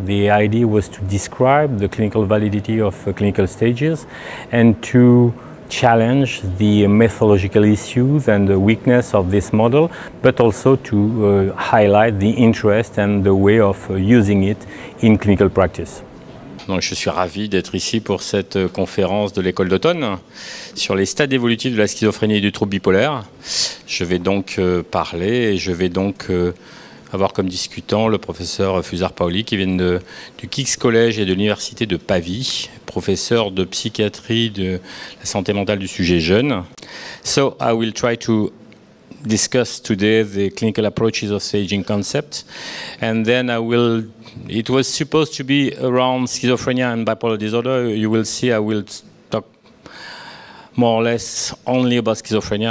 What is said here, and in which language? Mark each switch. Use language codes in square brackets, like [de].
[en] The idea was to describe the clinical validity of clinical stages and to challenge the methodological issues and the weakness of this model, but also to highlight the interest and the way of using it in clinical practice. [fr] Donc, je suis ravi d'être ici pour cette conférence de l'école d'automne sur les stades évolutifs de la schizophrénie et du trouble bipolaire. Je vais donc parler et je vais donc avoir comme discutant le professeur Fusar-Poli qui vient du Kix College et de l'Université de Pavie, professeur de psychiatrie de la santé mentale du sujet jeune. [en] So I will try to discuss today the clinical approaches of staging concept, and then I will, it was supposed to be around schizophrenia and bipolar disorder. You will see I will talk more or less only about schizophrenia.